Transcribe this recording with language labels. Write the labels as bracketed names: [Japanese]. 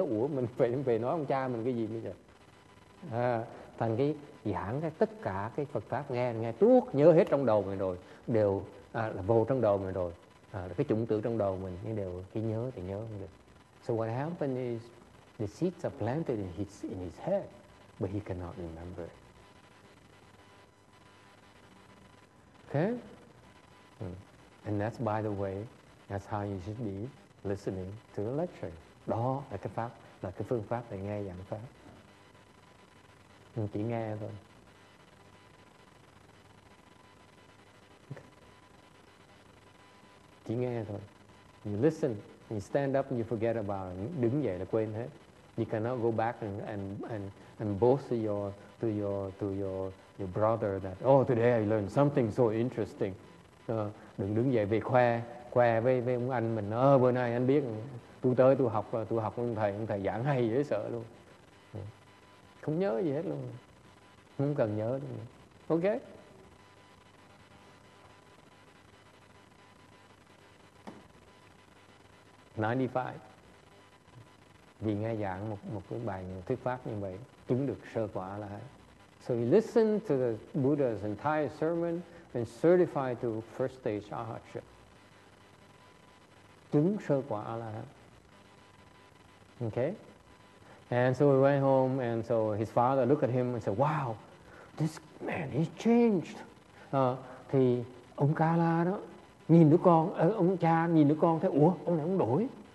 [Vietnamese] Ủa, mình về nói ông cha mình cái gì bây giờ. Thành cái giảng cái tất cả cái Phật pháp nghe tuốt nhớ hết trong đầu mình rồi, đều là vô trong đầu mình rồi, cái chủng tử trong đầu mình, nhưng đều cái nhớ thì nhớ không được. [English] So what happened is the seeds are planted in his head, but he cannot remember. Okay? And that's, by the way, that's how you should be listening to the lecture. [Vietnamese] Đó là cái pháp, là cái phương pháp để nghe giảng pháp. Mình chỉ nghe thôi. Okay. Chỉ nghe thôi. [English] You listen, you stand up and you forget about it. [Vietnamese] Đứng dậy là quên hết. [English] You cannot go back and boast to your brother that, "Oh, today I learned something so interesting." [Vietnamese] Đừng đứng dậy về khoe với ông anh mình, "Bữa nay anh biết tôi học ông thầy giảng hay dễ sợ luôn." Không nhớ gì hết luôn. Không cần nhớ luôn. [English] Ok. [Vietnamese] Vì nghe giảng một cái bài thuyết pháp như vậy, chứng được sơ quả là. [English] So he listened to the Buddha's entire sermon and certified to first stage arhatship. [Vietnamese] Chứng sơ quả là. [English] Okay. And so we went home, and so his father looked at him and said, "Wow, this man, he's changed." [Vietnamese] Thì ông Kala đó nhìn đứa con, ông cha nhìn đứa con thấy, "Ủa, ông này ông đổi."